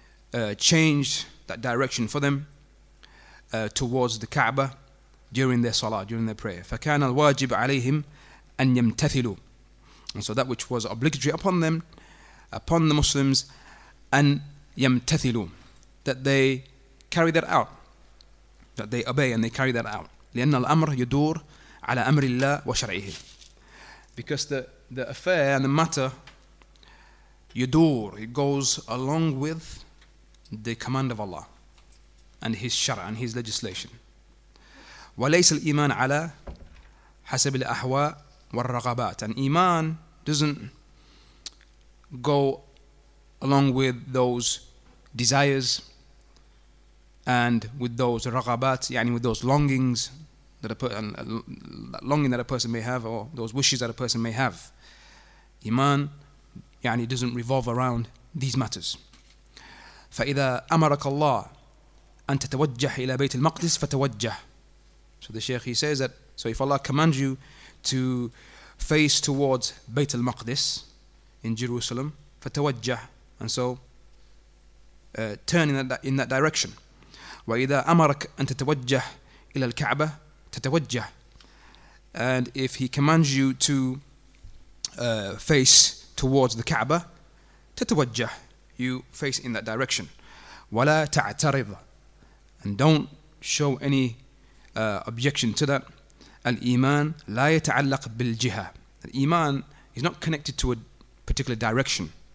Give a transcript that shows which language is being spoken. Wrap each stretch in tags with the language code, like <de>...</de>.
<en>Allah changed that direction for them towards the Kaaba during their salah, during their prayer.</en> <ar>فكان الواجب عليهم أن يمتثلوا.</ar> <en>And so that which was obligatory upon them, upon the Muslims,</en> <ar>أن يمتثلوا,</ar> <en>that they carry that out, that they obey and they carry that out.</en> <ar>لأن الأمر يدور على أمر الله وشرعه.</ar> <en>Because the affair and the matter</en> <ar>يدور,</ar> <en>it goes along with the command of Allah and His شرع and His legislation.</en> <ar>وليس الإيمان على حسب الأهواء والرغبات.</ar> <en>And إيمان doesn't go along with those desires and with those raghabat, yani with those longings that a longing that a person may have, or those wishes that a person may have. Iman yani doesn't revolve around these matters.</en> <ar>فَإِذَا أَمَرَكَ اللَّهُ أَن تَتَوَجَّحْ إِلَى بَيْتِ الْمَقْدِسِ فَتَوَجَّحْ.</ar> <en>So the Shaykh, he says that, so if Allah commands you to face towards Bayt al-Maqdis in Jerusalem,</en> <ar>فَتَوَجَّحْ,</ar> <en>and so turn in that direction.</en> <ar>وَإِذَا أَمَرَكَ أَن تَتَوَجَّحْ إِلَى الْكَعْبَةِ تَتَوَجَّحْ.</ar> <en>And if he commands you to face towards the Kaaba,</en> <ar>تَتَوَجَّحْ,</ar> <en>you face in that direction.</en> <ar>وَلَا تَعْتَرِضْ,</ar> <en>and don't show any objection to that.</en> <ar>الإيمان لا يتعلق بالجهة.</ar> <en>الإيمان is not connected to a particular direction.</en>